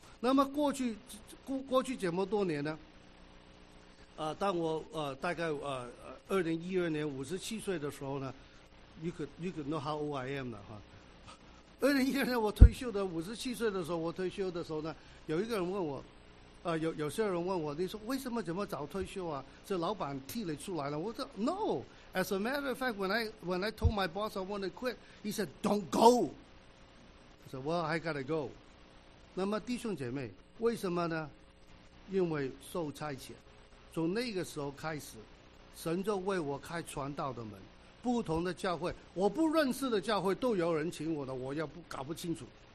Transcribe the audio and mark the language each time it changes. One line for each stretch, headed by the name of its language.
Chinese: 那么过去这么多年呢，当我大概2012年57岁的时候呢 ，
English: you could know how old I am
Chinese: 了哈。 2012年我退休的57岁的时候，我退休的时候呢，有一个人问我，有些人问我，你说为什么这么早退休啊？是老板替你出来了？我说
English: no， as a matter of fact， when I told my boss I want to quit， he said don't go。 I said well I gotta go。
Chinese: 那么弟兄姐妹，为什么呢？因为受差遣。从那个时候开始，神就为我开传道的门。不同的教会，我不认识的教会都有人请我的，我要不搞不清楚。